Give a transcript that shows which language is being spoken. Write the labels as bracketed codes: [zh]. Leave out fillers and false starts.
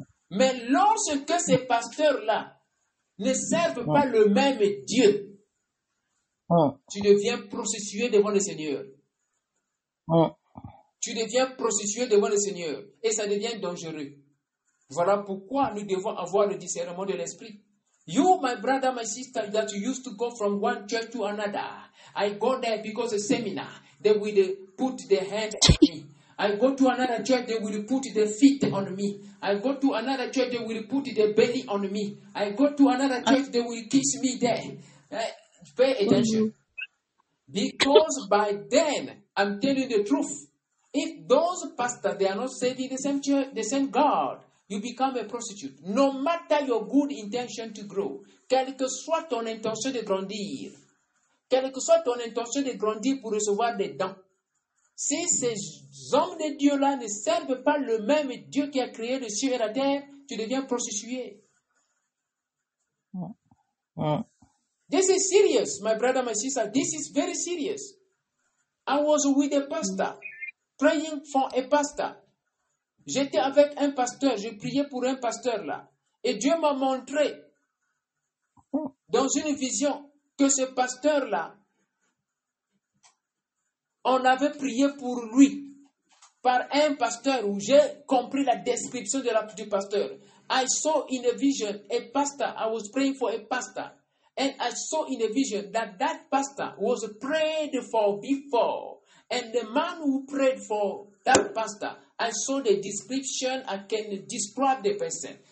[fr] Mais lorsque ces pasteurs-là ne servent pas le même Dieu, tu deviens prostitué devant le Seigneur. Tu deviens prostitué devant le Seigneur. Et ça devient dangereux. Voilà pourquoi nous devons avoir le discernement de l'esprit. [en] You, my brother, my sister, that you used to go from one church to another. I go there because of a seminar. They would put their hand on me. I go to another church, they will put their feet on me. I go to another church, they will put their belly on me. I go to another church, they will kiss me there. Pay attention. Because by then, I'm telling the truth. If those pastors, they are not serving the same church, the same God, you become a prostitute. No matter your good intention to grow, [fr] quelle que soit ton intention de grandir, quelle que soit ton intention de grandir pour recevoir des dons, si ces hommes de Dieu-là ne servent pas le même Dieu qui a créé le ciel et la terre, tu deviens prostitué. [en] This is serious, my brother, my sister. This is very serious. I was with a pastor, praying for a pastor. [fr] J'étais avec un pasteur, je priais pour un pasteur là. Et Dieu m'a montré dans une vision que ce pasteur là, on avait prié pour lui par un pasteur où j'ai compris la description de du pasteur. [en] I saw in a vision a pastor, I was praying for a pastor. And I saw in a vision that that pastor was prayed for before. And the man who prayed for that pastor, I saw the description, I can describe the person.